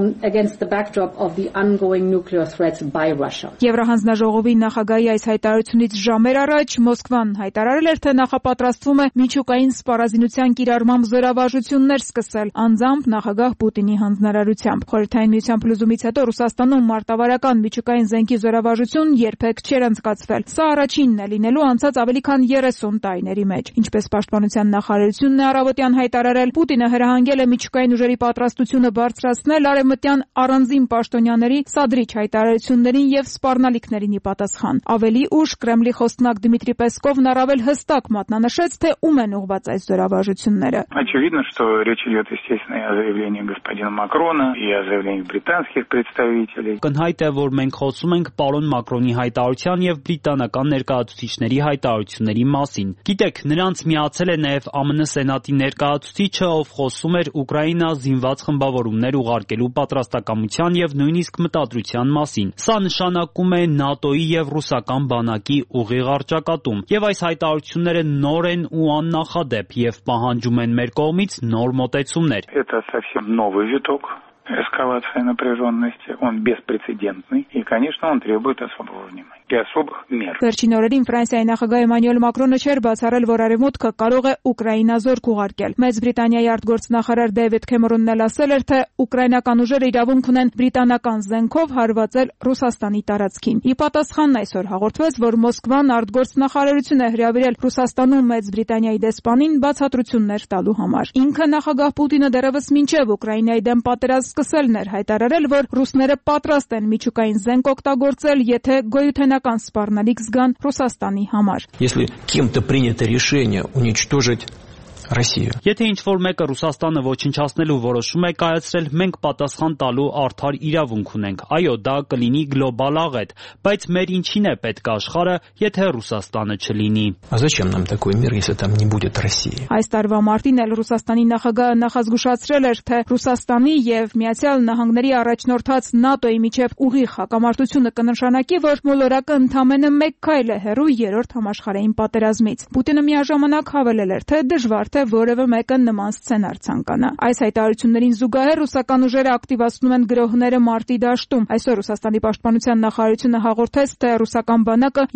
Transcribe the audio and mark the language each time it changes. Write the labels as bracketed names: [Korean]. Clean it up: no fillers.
[English] Against the backdrop of the ongoing nuclear threats by Russia. [Armenian] Եվրահանձնաժողովի նախագահի այս հայտարարությունից ժամեր առաջ Մոսկվան հայտարարել էր, թե նախապատրաստվում է միջուկային սպառազինության կիրառմամբ զորավարություններ սկսել անձամբ նախագահ Պուտինի հանձնարարությամբ։ Խորհրդային միության փլուզումից հետո Ռուսաստանում մարտավարական միջուկային զենքի զորավարություն երբեք չէր անցկացվել։ Սա առաջինն է լինելու անցած ավելի քան 30 տարիների մեջ։ Ինչպես պաշտպանության նախարարությունն է առավոտյան հայտարարել, Պուտինը հրահանգել է միջուկային ուժերի պատրաստությունը բարձրացնել արևմտյան առանձին պաշտոնյաների սադրիչ հայտարարություններին և սպառնալիքներին ի պատասխան։ Ավելի ուշ Կրեմլի խոստնակ Դմիտրի Պեսկովն առավել հստակ մատնանշեց, թե ում են ուղված այս զորավարժությունները։ [Russian] Очевидно, что речь идет, естественно, о заявлении господина Макрона и о заявлении британских представителей. [Armenian] Կնհայտ է, որ մենք խոսում ենք պարոն Մակրոնի հայտարարության և բրիտանական ներկայացուցիչների հայտարարությունների մասին։ Գիտեք, նրանց միացել է նաև ԱՄՆ սենատի ներկայացուցիչը, ով խոսում էր Ուկրաինա զինված խմբավորումներ ուղարկելու պատրաստակամության և նույնիսկ մտադրության մասին։ Սա նշանակում է ՆԱՏՕ-ի և ռուսական բանակի ուղիղ արճակատում, և այս հայտարարությունները նոր են ու աննախադեպ, և պահանջում են մեր կողմից նոր մոտեցումներ։ [Russian] Это совсем новый виток эскалации напряженности, он беспрецедентный, и, конечно, он требует особого внимания и особых мер. [Armenian] Վերջին օրերին Ֆրանսիայի նախագահ Էմանյուել Մակրոնը չէր բացառել, որ արևմուտքը կարող է Ուկրաինա զորք ուղարկել։ Մեծ Բրիտանիայի արտգործնախարար Դեյվիդ Քեմերոնն էլ ասել էր, թե ուկրաինական ուժերը իրավունք ունեն բրիտանական զենքով հարվածել Ռուսաստանի տարածքին։ Ի պատասխան այսօր հաղորդվեց, որ Մոսկվան արտգործնախարարություն է հրավիրել Ռուսաստանում Մեծ Բրիտանիայի դեսպանին բացատրություններ տալու համար։ Ինքը նախագահ Պուտինը դեռևս մինչև Ուկրաինայի դեմ պատերազմ սկսելն էր հայտարարել, որ ռուսները պատրաստ են միջուկային զենք օգտագործել, եթե գոյութենական սպառնալիք զգան Ռուսաստանի համար։ [Russian] Если кем-то принято решение уничтожить Россию. [Armenian] Եթե ինչ-որ մեկը Ռուսաստանը ոչնչացնելու որոշում է կայացրել, մենք պատասխան տալու արդար իրավունք ունենք։ Այո, դա կլինի գլոբալ աղետ, բայց մեր ինչին է պետք աշխարը, եթե Ռուսաստանը չլինի։ [Russian] А зачем нам такой мир, если там не будет России? [Armenian] Այս տարվա մարտին էլ Ռուսաստանի նախագահը նախազգուշացրել էր, թե Ռուսաստանի եւ Միացյալ Նահանգների առաջնորդած ՆԱՏՕ-ի միջև ուղիղ հակամարտությունը կնշանակի, որ մոլորակը ընդամենը 1 քայլ է հեռու 3-րդ համաշխարհային պատերազմից։ Պուտինը միաժամանակ հավելել էր, թե դժվար թե որևէ մեկը նման սցենար ցանկանա։ Այս հայտարարություններին զուգահեռ ռուսական ուժերը ակտիվացնում են գրոհները Մարտի դաշտում։ Այսօր Ռուսաստանի պաշտպանության նախարարությունը հաղորդեց, թե ռուսական բանակը